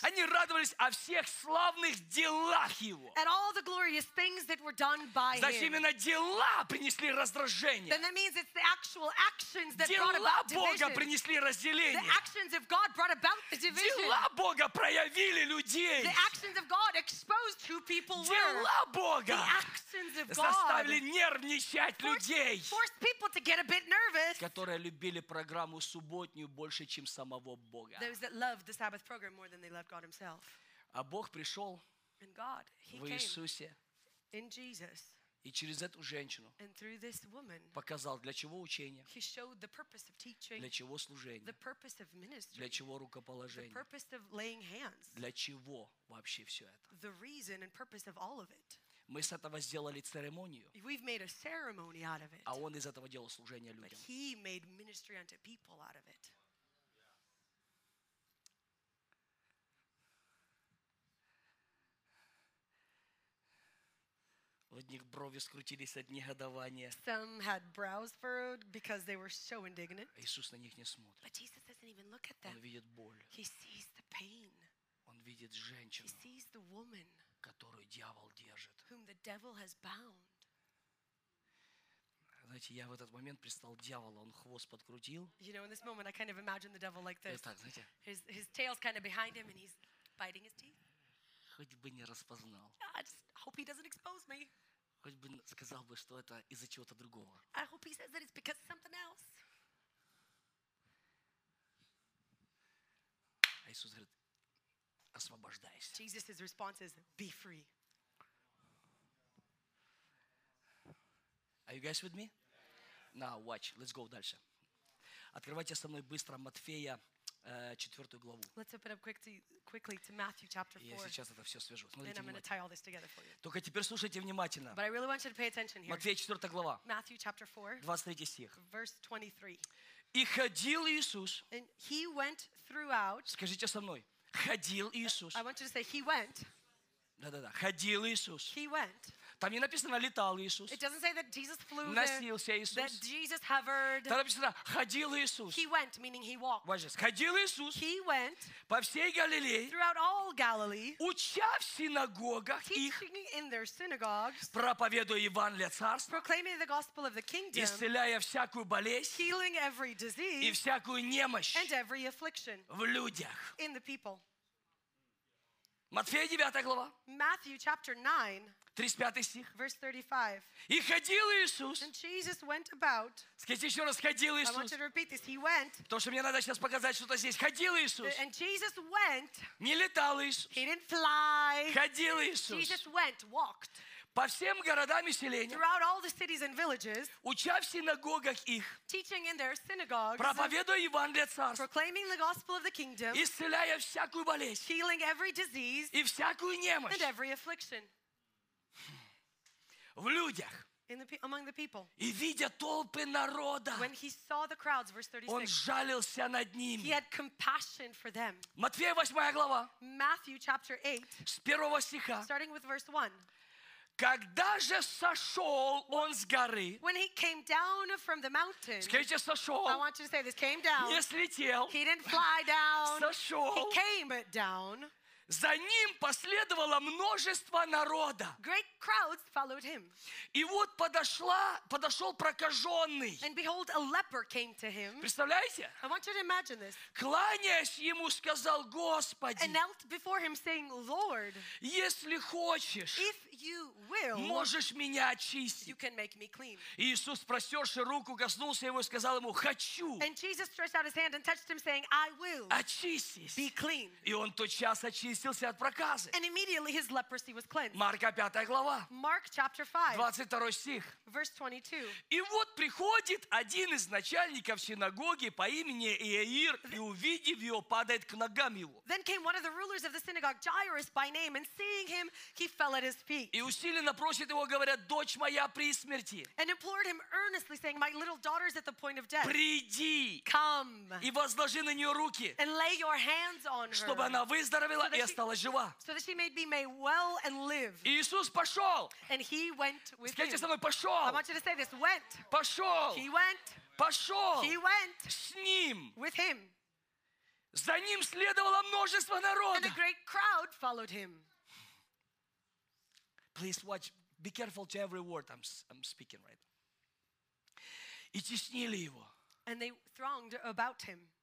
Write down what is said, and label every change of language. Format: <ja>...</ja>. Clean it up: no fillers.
<ru>Они радовались о всех славных делах Его.</ru> <en>And all the glorious things that were done by</en> <ru>Значит,</ru> <en>Him.</en> <ru>Именно дела принесли раздражение.</ru> <en>Then that means it's the actual actions that</en> <ru>дела</ru> <en>brought about division.</en> <ru>Дела Бога принесли разделение.</ru> <en>The actions of God brought about the division.</en> <ru>Дела Бога проявили людей.</ru> <en>The actions of God exposed who people</en> <ru>дела</ru> <en>were.</en> <ru>Дела Бога</ru> <en>the actions of God</en> <ru>заставили нервничать</ru> <en>forced,</en> <ru>людей.</ru> <en>Forced people to get a bit nervous.</en> <ru>Которые любили программу субботнюю больше, чем самого Бога.</ru> <en>Those that loved the Sabbath program more than they loved God Himself.</en> <ru>А Бог пришел</ru> <en>and God, he</en> <ru>в Иисусе</ru> <en>came in Jesus,</en> <ru>и через эту женщину</ru> <en>and through this woman,</en> <ru>показал, для чего учение,</ru> <en>he showed the purpose of teaching,</en> <ru>для чего служение,</ru> <en>the purpose of ministry,</en> <ru>для чего рукоположение,</ru> <en>the purpose of laying hands,</en> <ru>для чего вообще все это.</ru> <en>The reason and purpose of all of it.</en> <ru>Мы с этого сделали церемонию.</ru> <en>We've made a ceremony out of it.</en> <ru>А Он из этого делал служение людям.</ru> <en>But He made ministry unto people out of it.</en> <ru>У одних брови скрутились от негодования.</ru> <en>Some had brows furrowed because they were so indignant.</en> <ru>Иисус на них не смотрит.</ru> <en>But Jesus doesn't even look at them.</en> <ru>Он видит боль.</ru> <en>He sees the pain.</en> <ru>Он видит женщину.</ru> <en>He sees the woman.</en> <ru>Которую дьявол держит.</ru> <en>Whom the devil has bound.</en> <ru>Знаете, я в этот момент представил дьявола, он хвост подкрутил.</ru> <en>You know, in this moment, I kind of imagine the devil like this.</en> <ru>Вот так, знаете.</ru> <en>His tail's kind of behind him, and he's biting his teeth.</en> <ru>Хоть бы не распознал.</ru> <en>I just hope he doesn't expose me.</en> <ru>Хоть бы сказал бы, что это из-за чего-то другого.</ru> <en>I hope he says that it's because of something else.</en> <ru>А Иисус говорит, освобождайся.</ru> <en>Jesus' response is, be free. Are you guys with me? Now watch, let's go</en> <ru>дальше. Открывайте со мной быстро Матфея, 4 главу.</ru> <en>Let's open up quickly to Matthew chapter 4.</en> <ru>Я сейчас это все свяжу.</ru> <en>And I'm going to tie all this together for you.</en> <ru>Только теперь слушайте внимательно.</ru> <en>But I really want you to pay attention here.</en> <ru>Матфея, 4 глава.</ru> <en>Matthew chapter 4.</en> <ru>23 стих.</ru> <en>Verse 23.</en> <ru>И ходил Иисус.</ru> <en>And he went throughout.</en> <ru>Скажите со мной. Ходил Иисус.</ru> <en>I want you to say, he went.</en> <ru>Да-да-да. Ходил Иисус.</ru> <en>He went.</en> <ru>Там не написано, летал Иисус.</ru> <en>It doesn't say that Jesus flew.</en> <ru>Носился Иисус.</ru> <en>That Jesus hovered.</en> <ru>Там написано, ходил Иисус.</ru> <en>He went, meaning he walked. Watch this.</en> <ru>Ходил Иисус.</ru> <en>He went.</en> <ru>По всей Галилее.</ru> <en>Throughout all Galilee.</en> <ru>Уча в синагогах их.</ru> <en>Teaching in their synagogues.</en> <ru>Проповедуя Евангелие Царства.</ru> <en>Proclaiming the gospel of the kingdom.</en> <ru>Исцеляя всякую болезнь.</ru> <en>Healing every disease.</en> <ru>И всякую немощь.</ru> <en>And every affliction.</en> <ru>В людях.</ru> <en>In the people.</en> <ru>Матфея 9 глава.</ru> <en>Matthew chapter 9.</en> <ru>35 стих.</ru> <en>Verse 35.</en> <ru>И ходил Иисус.</ru> <en>And Jesus went about.</en> <ru>Скажите еще раз, ходил Иисус.</ru> <en>I want you to repeat this. He went.</en> <ru>Потому что мне надо сейчас показать что-то здесь. Ходил Иисус.</ru> <en>And Jesus went.</en> <ru>Не летал Иисус.</ru> <en>He didn't fly.</en> <ru>Ходил Иисус.</ru> <en>Jesus went, walked.</en> <ru>По всем городам и селениям.</ru> <en>Throughout all the cities and villages.</en> <ru>Уча в синагогах их.</ru> <en>Teaching in their synagogues.</en> <ru>Проповедуя Евангелие Царства.</ru> <en>Proclaiming the gospel of the kingdom.</en> <ru>Исцеляя всякую болезнь.</ru> <en>Healing every disease.</en> <ru>И всякую немощь.</ru> <en>And every affliction.</en> <ru>В людях.</ru> <en>Among the people.</en> <ru>И видя толпы народа.</ru> <en>When he saw the crowds, verse 36.</en> <ru>Он жалился над ними.</ru> <en>He had compassion for them.</en> <ru>Матфея 8 глава.</ru> <en>Matthew chapter 8.</en> <ru>С 1 стиха.</ru> <en>Starting with verse 1.</en> <ru>Когда же сошел он с горы?</ru> <en>When he came down from the mountain.</en> <ru>Скажите, сошел.</ru> <en>I want you to say this, came down.</en> <ru>Не слетел.</ru> <en>He didn't fly down.</en> <ru>Сошел.</ru> <en>He came down.</en> <ru>За ним последовало множество народа.</ru> <en>Great crowds followed him.</en> <ru>И вот подошел прокаженный.</ru> <en>And behold, a leper came to him.</en> <ru>Представляете?</ru> <en>I want you to imagine this.</en> <ru>Кланяясь ему, сказал Господи.</ru> <en>And knelt before him, saying, Lord.</en> <ru>Если хочешь.</ru> <en>If you will.</en> <ru>Можешь меня очистить.</ru> <en>You can make me clean.</en> <ru>Иисус, простерши руку, коснулся его и сказал ему, хочу.</ru> <en>And Jesus stretched out his hand and touched him, saying, I will.</en> <ru>Очистись.</ru> <en>Be clean.</en> <ru>И он тотчас очистился.</ru> <en>And immediately his leprosy was cleansed.</en> <ru>Марка 5 глава.</ru> <en>Mark chapter 5.</en> <ru>22 стих.</ru> <en>Verse 22.</en> <ru>И вот приходит один из начальников синагоги по имени Иаир, и увидев его, падает к ногам его.</ru> <en>Then came one of the rulers of the synagogue, Jairus by name, and seeing him, he fell at his feet.</en> <ru>И усиленно просит его, говоря, дочь моя при смерти.</ru> <en>And implored him earnestly, saying, my little daughter is at the point of death.</en> <ru>Приди.</ru> <en>Come.</en> <ru>И возложи на нее руки.</ru> <en>And lay your hands on her.</en> <ru>Чтобы она выздоровела.</ru> <en>So that she may be made well and live.</en> <ru>Иисус пошел.</ru> <en>And he went with him.</en> <ru>Скажите со мной, пошел.</ru> <en>I want you to say this, went.</en> <ru>Пошел.</ru> <en>He went.</en> <ru>Пошел.</ru> <en>He went.</en> <ru>С ним.</ru> <en>With him.</en> <ru>За ним следовало множество народа.</ru> <en>And a great crowd followed him. Please watch. Be careful to every word I'm speaking right.</en> <ru>И теснили его.</ru> <en>And they thronged about him.</en>